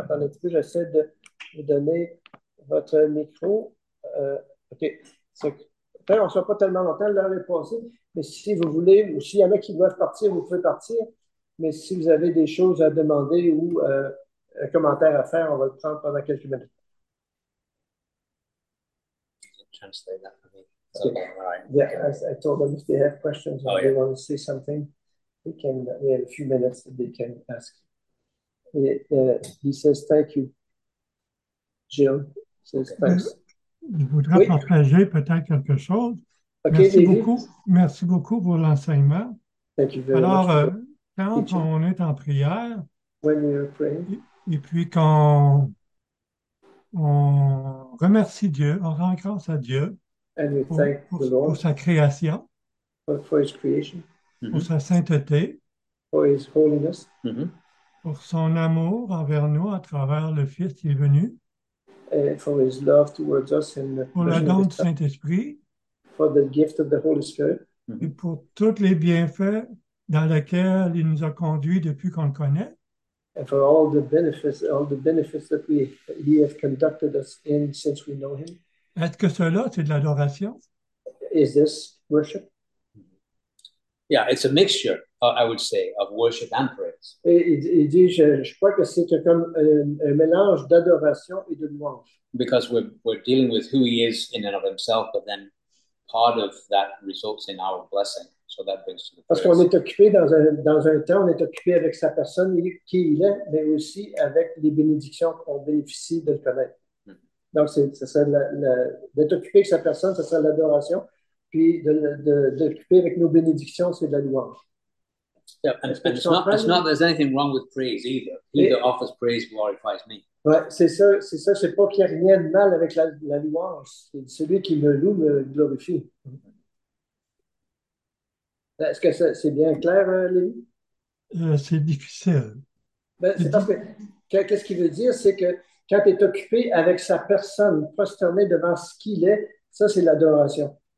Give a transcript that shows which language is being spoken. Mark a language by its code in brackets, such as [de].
[fr] Attends un petit peu, j'essaie de vous donner votre micro. OK. Enfin, on ne sera pas tellement longtemps, l'heure est passée, mais si vous voulez, ou s'il y en a qui doivent partir, vous pouvez partir. Mais si vous avez des choses à demander ou un commentaire à faire, on va le prendre pendant quelques minutes. [en] Translate that for me. Okay. Right. Yeah, okay. I told them if they have questions or they want to say something, they can, we have a few minutes that they can ask. He says, thank you. Jill says, thanks. [fr] Je voudrais partager peut-être quelque chose. [en] Okay, [fr] merci beaucoup. Merci beaucoup pour l'enseignement. [en] Thank you very [fr] Alors, [en] much [fr] quand [en] teaching. [fr] On est en prière, [en] when you're praying, [fr] et puis quand on remercie Dieu, on rend grâce à Dieu [en] and we thank the Lord [fr] pour sa création, [en] for his creation, [fr] pour mm-hmm. sa sainteté, [en] for his holiness, mm-hmm. [fr] pour son amour envers nous à travers le Fils qui est venu, [en] for his love towards us in the [fr] pour le don du Saint-Esprit, [en] for the gift of the Holy Spirit, [fr] et pour tous les bienfaits dans lesquels il nous a conduits depuis qu'on le connaît, [en] and for all the benefits that he has conducted us in since we know him. [fr] Est-ce que cela, c'est de l'adoration? [en] Is this worship? Yeah, it's a mixture, I would say, of worship and prayer. [fr] Il dit, je crois que c'est comme un mélange d'adoration et de louange. [en] Because we're dealing with who he is in and of himself, but then part of that results in our blessing. So that brings to the prayers. [fr] Parce qu'on est occupé dans un temps, on est occupé avec sa personne, qui il est, mais aussi avec les bénédictions qu'on bénéficie de le connaître. Mm-hmm. Donc, d'être occupé avec sa personne, ça sera l'adoration. Puis de l'occuper avec nos bénédictions, c'est de la louange. [en] Yeah, and it's not there's anything wrong with praise either. He that offers praise glorifies me. [fr] Ouais, c'est ça. C'est pas qu'il y a rien de mal avec la louange. C'est celui qui me loue me glorifie. Mm-hmm. Est-ce que c'est bien clair, Lévi? C'est difficile. Qu'est-ce qu'il veut dire, c'est que quand tu es occupé avec sa personne, prosterné devant ce qu'il est, ça c'est l'adoration.